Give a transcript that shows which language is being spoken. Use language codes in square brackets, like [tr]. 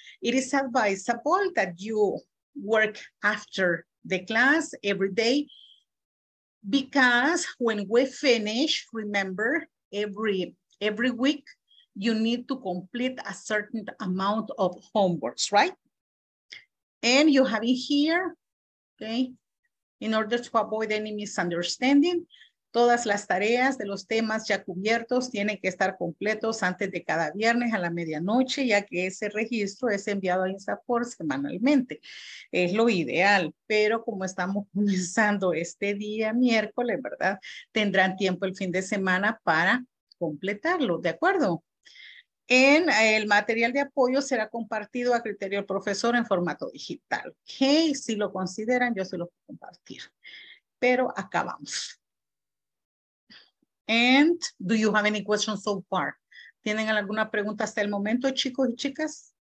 [en] It is advisable that you work after the class every day, because when we finish, remember, every week you need to complete a certain amount of homeworks, right? And you have it here, okay, in order to avoid any misunderstanding. [es] Todas las tareas de los temas ya cubiertos tienen que estar completos antes de cada viernes a la medianoche, ya que ese registro es enviado a INSAFORP semanalmente. Es lo ideal, pero como estamos comenzando este día miércoles, ¿verdad? Tendrán tiempo el fin de semana para completarlo, ¿de acuerdo? And el material de apoyo será compartido a criterio del profesor en formato digital. Okay, si lo consideran, yo se lo puedo compartir. Pero acabamos. [en] And do you have any questions so far? [es] ¿Tienen alguna pregunta hasta el momento, chicos y chicas?